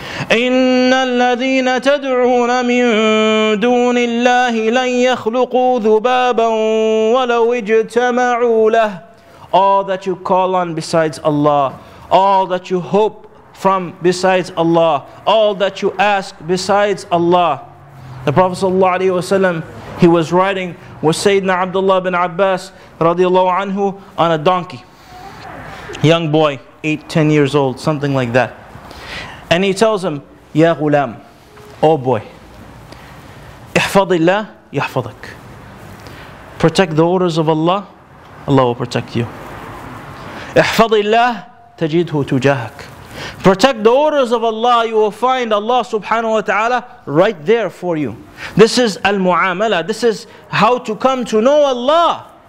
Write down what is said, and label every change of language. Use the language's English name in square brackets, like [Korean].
[Arabic] إِنَّ الَّذِينَ تَدْعُونَ مِن دُونِ اللَّهِ لَنْ يَخْلُقُوا ذُبَابًا وَلَوْ اجْتَمَعُوا لَهُ, [English] all that you call on besides Allah, all that you hope from besides Allah, all that you ask besides Allah. The Prophet sallallahu alaihi wasallam, he was riding with Sayyidina Abdullah bin Abbas radiallahu anhu on a donkey. Young boy, 8, 10 years old, something like that. And he tells him, [Arabic] يا غلام, [English] oh boy, [Arabic] احفظ الله يحفظك. [English] Protect the orders of Allah, Allah will protect you. [Arabic] احفظ الله تجده تجاهك. [English] Protect the orders of Allah, you will find Allah subhanahu wa ta'ala right there for you. This is al-mu'amala, this is how to come to know Allah.